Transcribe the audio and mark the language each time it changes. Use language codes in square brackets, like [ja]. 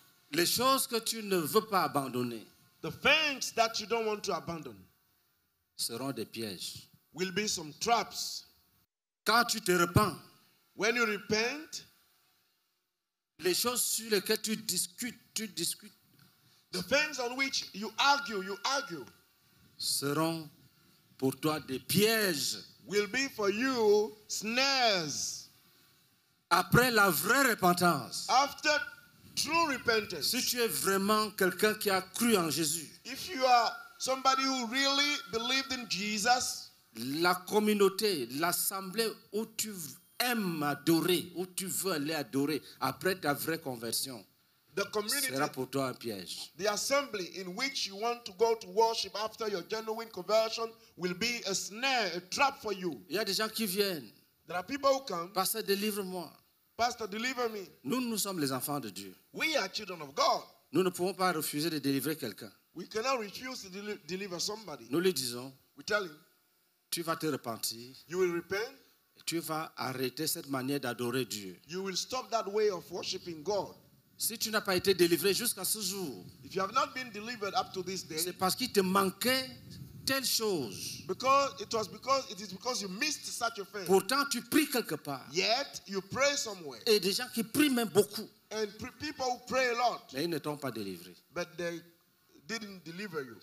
[fr] les choses que tu ne veux pas abandonner, [en] the things that you don't want to abandon, [fr] seront des pièges, [en] will be some traps. [fr] Quand tu te repens, [en] when you repent, [fr] les choses sur lesquelles tu discutes, [en] The things on which you argue [fr] seront pour toi des pièges. [en] Will be for you snares. [fr] Après la vraie repentance. [en] After true repentance. [fr] Si tu es vraiment quelqu'un qui a cru en Jésus. [en] If you are somebody who really believed in Jesus. [fr] La communauté, l'assemblée où tu aimes adorer, où tu veux aller adorer, après ta vraie conversion, [en] the community, [fr] sera pour toi un piège. [en] The assembly in which you want to go to worship after your genuine conversion will be a snare, a trap for you. [fr] Il y a des gens qui viennent. [en] There are people who come. [fr] Pasteur, délivre-moi. [en] Pastor, deliver me. [fr] Nous sommes les enfants de Dieu. [en] We are children of God. [fr] Nous ne pouvons pas refuser de délivrer quelqu'un. [en] We cannot refuse to deliver somebody. [fr] Nous lui disons. [en] We tell him. [fr] Tu vas te repentir. [en] You will repent. [fr] Tu vas arrêter cette manière d'adorer Dieu. [en] You will stop that way of worshiping God. [fr] Si tu n'as pas été délivré jusqu'à ce jour, [en] if you have not been delivered up to this day, [fr] c'est parce qu'il te manquait telle chose. [en] It is because you missed such a thing. [fr] Pourtant, tu pries quelque part. [en] Yet you pray somewhere. [fr] Et des gens qui prient même beaucoup. [en] And people who pray a lot. [fr] Mais ils ne t'ont pas délivré. [en] But they didn't deliver you.